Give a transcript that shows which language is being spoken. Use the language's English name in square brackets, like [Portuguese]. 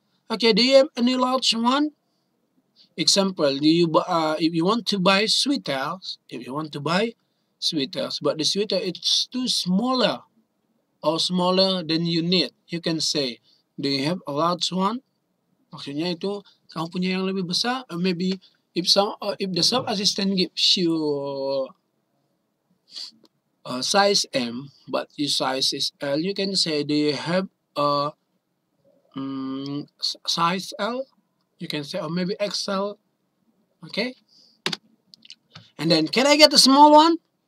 [English] Okay, do you have any large one? Example, do you if you want to buy sweaters, but the sweater it's too smaller or smaller than you need, you can say, do you have a large one? [Indonesian] Maksudnya itu, kamu punya yang lebih besar? [English] Or maybe if some if the shop assistant gives you a size M, but your size is L, you can say, do you have a size L? You can say, or maybe XL, okay? And then, can I get a small one?